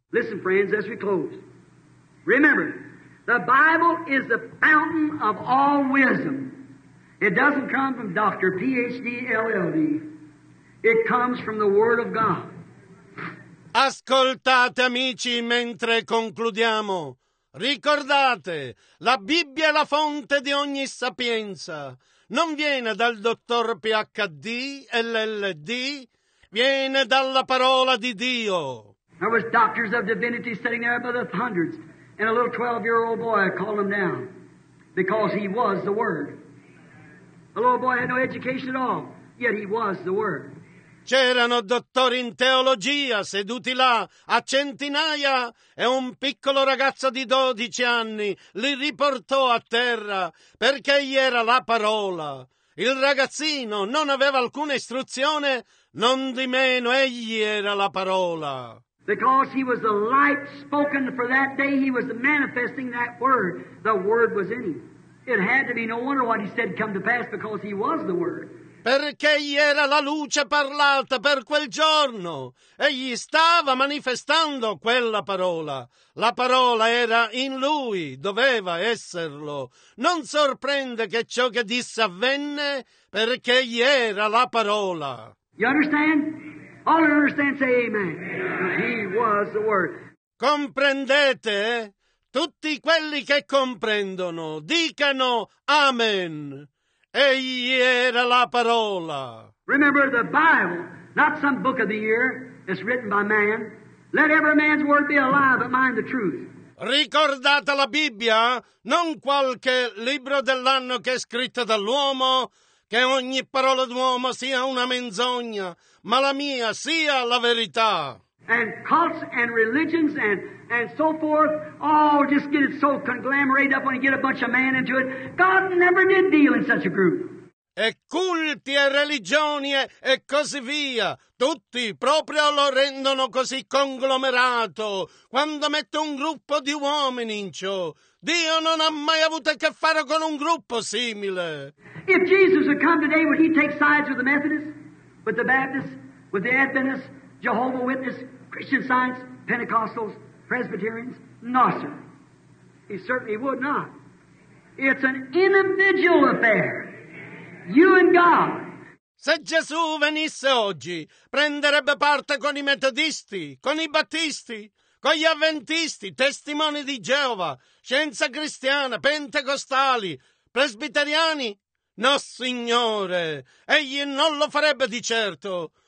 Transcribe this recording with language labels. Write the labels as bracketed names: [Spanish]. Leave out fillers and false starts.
[English] Listen, friends, as we close. Remember, the Bible is the fountain of all wisdom. It doesn't come from Dr. PhD, LLD. It comes from the Word of God. [Italian] Ascoltate, amici, mentre concludiamo. Ricordate, la Bibbia è la fonte di ogni sapienza. Non viene dal dottor PhD, LLD. Viene dalla parola di Dio. [English] There was doctors of divinity sitting there by the hundreds, and a little 12-year-old boy called him down because he was the Word. A little boy had no education at all, yet he was the Word. [Italian] C'erano dottori in teologia seduti là a centinaia e un piccolo ragazzo di 12 anni li riportò a terra perché gli era la parola. Il ragazzino non aveva alcuna istruzione, non di meno egli era la parola. [English] Because he was the light spoken for that day, he was manifesting that word. The word was in him. It had to be no wonder what he said come to pass because he was the word. [Italian] Perché egli era la luce parlata per quel giorno. Egli stava manifestando quella parola. La parola era in lui, doveva esserlo. Non sorprende che ciò che disse avvenne, perché egli era la parola. [English] You understand? All you understand, say amen. He was the word. [Italian] Comprendete? Tutti quelli che comprendono, dicano amen. Egli era la parola. [English] Remember the Bible, not some book of the year, it's written by man. Let every man's word be alive, but mind the truth. [Italian] Ricordate la Bibbia, non qualche libro dell'anno che è scritto dall'uomo, che ogni parola d'uomo sia una menzogna, ma la mia sia la verità. [English] And cults and religions and so forth, all just get it so conglomerated up when you get a bunch of man into it. God never did deal in such a group. [Italian] E culti e religioni e così via, tutti proprio lo rendono così conglomerato. Quando metto un gruppo di uomini in ciò, Dio non ha mai avuto a che fare con un gruppo simile. [English] If Jesus would come today, would he take sides with the Methodists, with the Baptists, with the Adventists, Jehovah's Witness, Christian Science, Pentecostals, Presbyterians? No, sir. He certainly would not. It's an individual affair. You and God. [Italian] Se Gesù venisse oggi, prenderebbe parte con i metodisti, con i battisti, con gli avventisti, testimoni di Geova, scienza cristiana, pentecostali, presbiteriani? No, signore. Egli non lo farebbe di certo.